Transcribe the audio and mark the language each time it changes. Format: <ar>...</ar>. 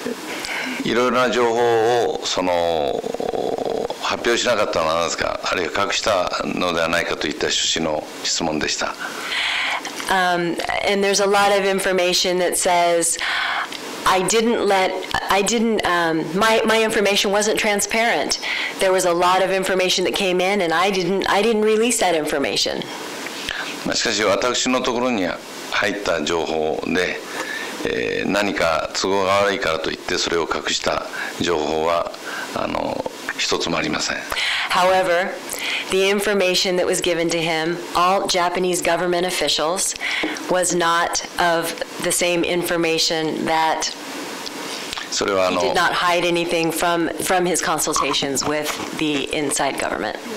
<ja>もう一点のその、いろいろな情報を、その、 発表しなかったのは何ですか、あるいは隠したのではないかといった趣旨の質問でした。</ja> <en>And there's a lot of information that says my information wasn't transparent. There was a lot of information that came in, and I didn't release that information.</en> <ja>しかし私のところに入った情報で、何か都合が悪いからといってそれを隠した情報は、</ja> <en>However, the information that was given to him, all Japanese government officials, was not of the same information that he did not hide anything from his consultations with the inside government.</en>